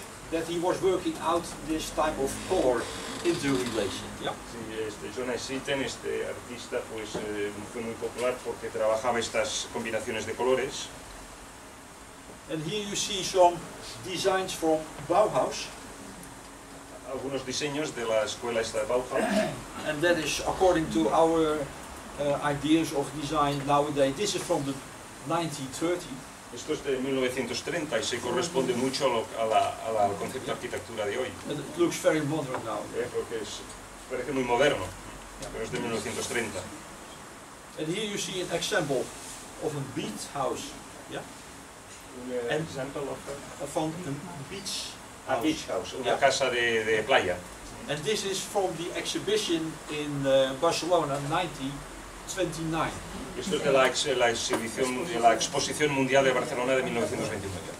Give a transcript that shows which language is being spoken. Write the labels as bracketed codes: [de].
[en] That he was working out this type of color interrelation. [es] John Essington, este artista, pues fue muy popular porque trabajaba estas combinaciones de colores. [en] And here you see some designs from Bauhaus. [es] Algunos diseños de la escuela esta de Bauhaus. [en] And that is according to our ideas of design nowadays. This is from the 1930s. [es] Esto es de 1930 y se corresponde mucho al concepto de arquitectura de hoy. [en] It looks very modern now. [es] Porque parece muy moderno, pero es de 1930. [en] And here you see an example of a beach house. An example of a from a beach house. A beach house, [es] una casa de playa. [en] And this is from the exhibition in Barcelona, 1929. [es] Esto es de la exposición mundial de Barcelona de 1929.